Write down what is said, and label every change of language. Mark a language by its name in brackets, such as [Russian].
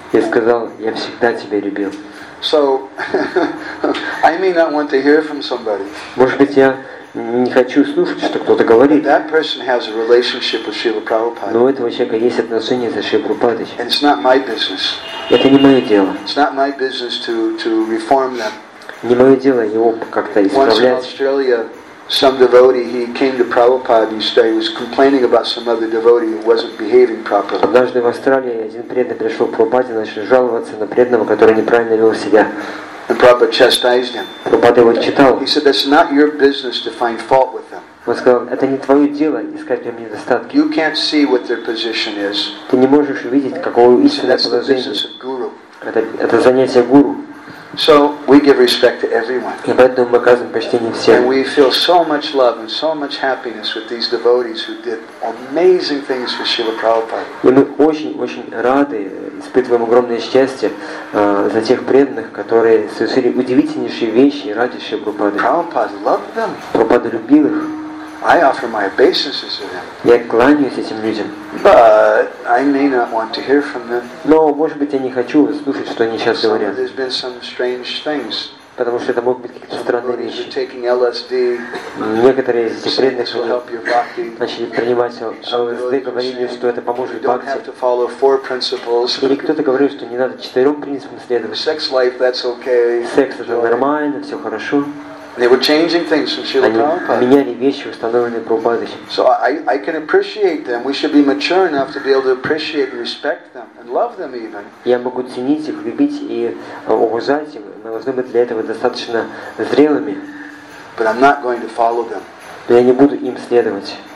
[Russian] И сказал, я всегда тебя любил. [English] So, I may not want to hear from somebody. [Russian] Может быть, я не хочу слушать, что кто-то говорит. [English] That person has a relationship with Srila Prabhupada. [Russian] Но у этого человека есть отношения с Шрилой Прабхупадой. [English] And it's not my business. [Russian] Это не мое дело. [English] It's not my business to reform them. [Russian] Не мое дело его как-то исправлять. [English] Once in Australia, some devotee, he came to Prabhupada and said he was complaining about some other devotee who wasn't behaving properly. [Russian] Однажды в Австралии один преданный пришел к Прабхупаде и начал жаловаться на преданного, который неправильно вел себя. [English] And Prabhupada chastised him. [Russian] Прабхупада его читал. [English] He said, "That's not your business to find fault with them." [Russian] Он сказал, это не твое дело искать в нем недостатки. [English] You can't see what their position is. [Russian] Ты не можешь увидеть, каково истинное положение. Это занятие гуру. [English] So we give respect to everyone. [Russian] И поэтому мы оказываем почтение всем. [English] And we feel so much love and so much happiness with these devotees who did amazing things for Srila Prabhupada. [Russian] И мы очень-очень рады, испытываем огромное счастье за тех преданных, которые совершили удивительнейшие вещи ради Шрилы Прабхупады. [English] Prabhupada loved them. [Russian] Прабхупада любил их. [English] I offer my obeisances to them. [Russian] Я кланяюсь этим людям. [English] But I may not want to hear from them. [Russian] Но, может быть, я не хочу слушать, что они сейчас говорят. [English] There's been some strange things. [Russian] Потому что это могут быть какие-то странные вещи. [English] You're taking LSD. [Russian] Некоторые из этих преданных начали принимать LSD, говорили, что это поможет бхакти. [English] You don't have to follow four principles. [Russian] Или кто-то говорил, что не надо четырем принципам следовать. [English] Sex life, that's okay. [Russian] Секс это нормально, все хорошо. [English] They were changing things from Srila Prabhupada. [Russian] Они меняли вещи, установленные Прабхупадой. [English] So I can appreciate them. We should be mature enough to be able to appreciate and respect them and love them even. [Russian] Я могу ценить их, любить и уважать их. Мы должны быть для этого достаточно зрелыми. [English] But I'm not going to follow them. [Russian] Но я не буду им следовать.